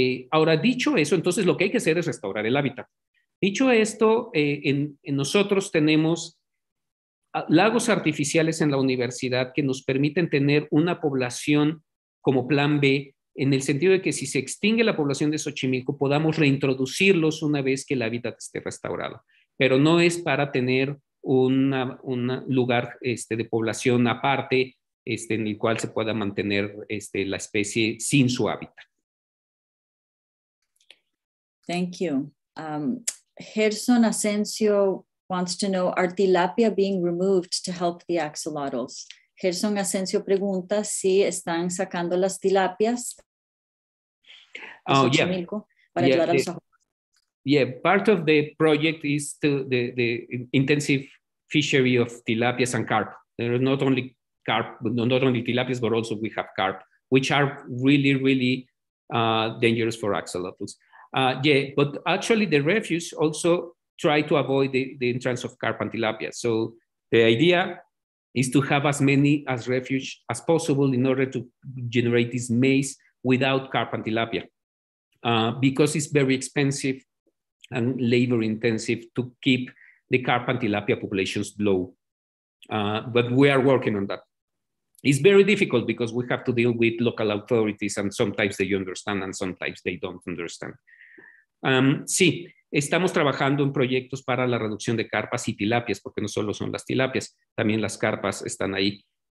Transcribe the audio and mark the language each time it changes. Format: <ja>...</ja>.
<es>Ahora, dicho eso, entonces lo que hay que hacer es restaurar el hábitat. Dicho esto, en nosotros tenemos lagos artificiales en la universidad que nos permiten tener una población como plan B, en el sentido de que si se extingue la población de Xochimilco, podamos reintroducirlos una vez que el hábitat esté restaurado. Pero no es para tener un lugar de población aparte en el cual se pueda mantener la especie sin su hábitat.</es> <en>Thank you. Gerson Asensio wants to know, are tilapia being removed to help the axolotls?</en> <es>Gerson Asensio pregunta si están sacando las tilapias.</es> <en>Part of the project is the intensive fishery of tilapias and carp. There are not only carp, not only tilapias, but also we have carp, which are really, really dangerous for axolotls. But actually the refuse also try to avoid the entrance of carp and tilapia. So the idea is to have as many as refuge as possible in order to generate this maize without carp and tilapia, because it's very expensive and labor intensive to keep the carp and tilapia populations low. But we are working on that. It's very difficult because we have to deal with local authorities, and sometimes they understand and sometimes they don't understand.</en> <es>Sí, estamos trabajando en proyectos para la reducción de carpas y tilapias, porque no solo son las tilapias, también las carpas están ahí.</es>